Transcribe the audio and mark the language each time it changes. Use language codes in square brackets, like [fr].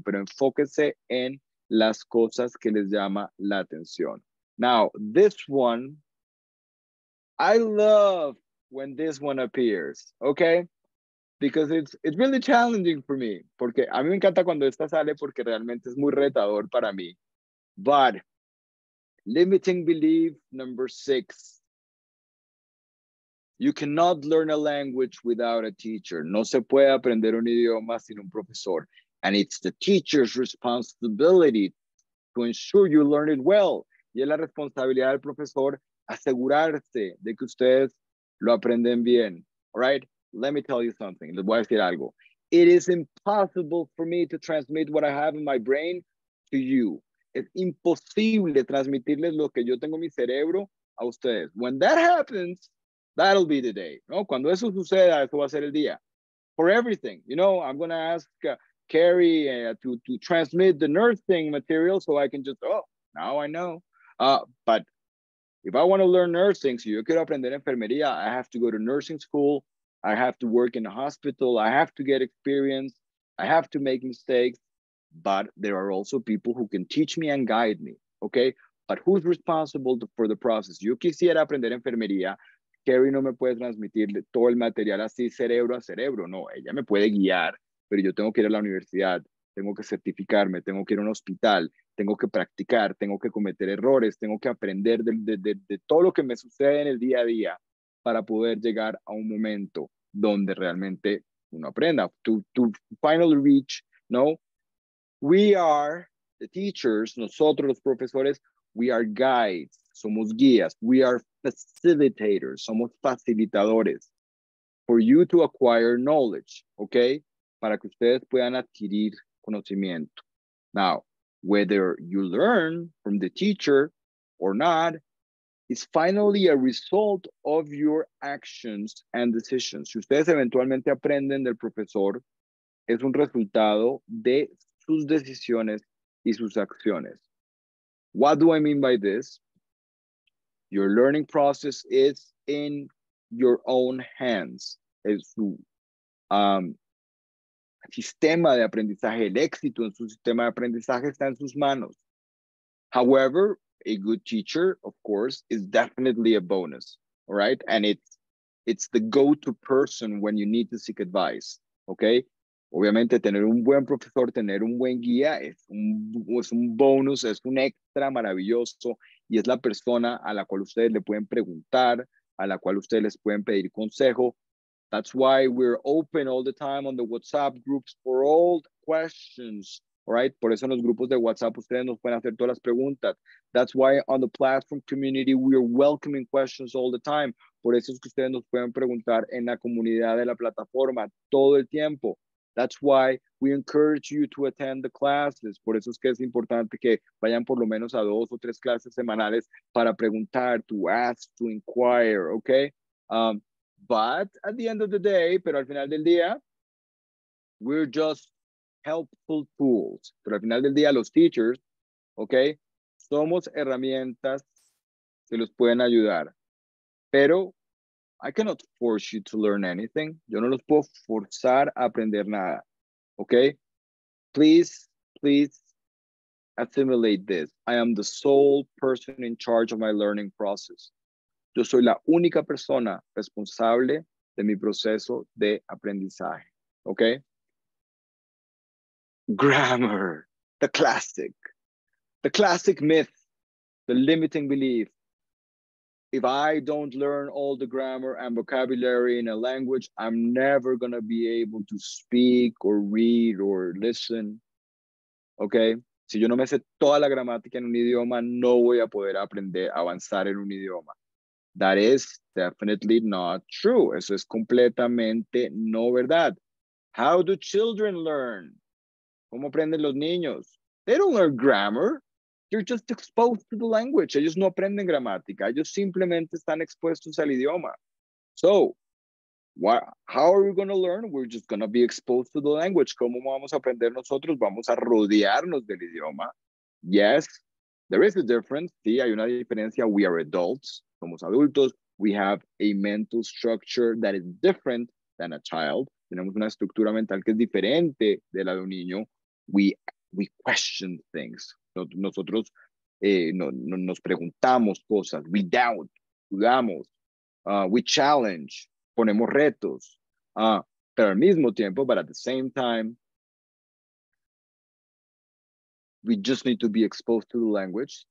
[es] Pero enfóquese en las cosas que les llama la atención. [en] Now, this one, I love when this one appears, okay? Because it's really challenging for me. [es] Porque a mí me encanta cuando esta sale porque realmente es muy retador para mí. [en] But limiting belief number 6. You cannot learn a language without a teacher. [es] No se puede aprender un idioma sin un profesor. [en] And it's the teacher's responsibility to ensure you learn it well. [es] Y es la responsabilidad del profesor asegurarse de que ustedes lo aprenden bien. [en] All right? Let me tell you something. [es] Les voy a decir algo. [en] It is impossible for me to transmit what I have in my brain to you. [es] Es imposible transmitirles lo que yo tengo en mi cerebro a ustedes. [en] When that happens, that'll be the day. [es] ¿No? Cuando eso suceda, eso va a ser el día. [en] For everything. You know, I'm going to ask Carrie to transmit the nursing material so I can just, now I know. But if I want to learn nursing, [es] si yo quiero aprender enfermería, [en] I have to go to nursing school. I have to work in a hospital. I have to get experience. I have to make mistakes. But there are also people who can teach me and guide me, okay? But who's responsible for the process? [es] Yo quisiera aprender enfermería. Carrie no me puede transmitir todo el material así cerebro a cerebro. No, ella me puede guiar. Pero yo tengo que ir a la universidad, tengo que certificarme, tengo que ir a un hospital, tengo que practicar, tengo que cometer errores, tengo que aprender de todo lo que me sucede en el día a día para poder llegar a un momento donde realmente uno aprenda. [en] To finally reach, no? We are the teachers, [es] nosotros los profesores, [en] we are guides, [es] somos guías, [en] we are facilitators, [es] somos facilitadores [en] for you to acquire knowledge, okay? [es] Para que ustedes puedan adquirir conocimiento. [en] Now, whether you learn from the teacher or not, is finally a result of your actions and decisions. [es] Si ustedes eventualmente aprenden del profesor, es un resultado de sus decisiones y sus acciones. [en] What do I mean by this? Your learning process is in your own hands. [es] Sistema de aprendizaje, el éxito en su sistema de aprendizaje está en sus manos. [en] However, a good teacher, of course, is definitely a bonus, all right? And it's the go-to person when you need to seek advice, okay? [es] Obviamente, tener un buen profesor, tener un buen guía es un bonus, es un extra maravilloso y es la persona a la cual ustedes le pueden preguntar, a la cual ustedes les pueden pedir consejo. [en] That's why we're open all the time on the WhatsApp groups for all the questions, all right? [es] Por eso en los grupos de WhatsApp ustedes nos pueden hacer todas las preguntas. [en] That's why on the platform community we are welcoming questions all the time. [es] Por eso es que ustedes nos pueden preguntar en la comunidad de la plataforma todo el tiempo. [en] That's why we encourage you to attend the classes. [es] Por eso es que es importante que vayan por lo menos a 2 o 3 clases semanales para preguntar, [en] to ask, to inquire, okay? But at the end of the day, [es] pero al final del día, [en] we're just helpful tools. [es] Pero al final del día, los teachers, okay, somos herramientas que los pueden ayudar. [en] Pero I cannot force you to learn anything. [es] Yo no los puedo forzar a aprender nada, okay? [en] Please assimilate this. I am the sole person in charge of my learning process. [es] Yo soy la única persona responsable de mi proceso de aprendizaje. Okay? [en] Grammar, the classic myth, the limiting belief. If I don't learn all the grammar and vocabulary in a language, I'm never gonna be able to speak or read or listen. Okay? [es] Si yo no me sé toda la gramática en un idioma, no voy a poder aprender, avanzar en un idioma. [en] That is definitely not true. [es] Eso es completamente no verdad. [en] How do children learn? [es] ¿Cómo aprenden los niños? [en] They don't learn grammar. They're just exposed to the language. [es] Ellos no aprenden gramática. Ellos simplemente están expuestos al idioma. [en] So, how are we going to learn? We're just going to be exposed to the language. [es] ¿Cómo vamos a aprender nosotros? Vamos a rodearnos del idioma. [en] Yes, there is a difference. [es] Sí, hay una diferencia. [en] We are adults. [es] Somos adultos. [en] We have a mental structure that is different than a child. [es] Tenemos una estructura mental que es diferente de la de un niño. [en] We question things. [es] Nosotros nos preguntamos cosas. [en] We doubt. [es] Dudamos. [en] We challenge. [es] Ponemos retos. Pero al mismo tiempo, [en] but at the same time, we just need to be exposed to the language.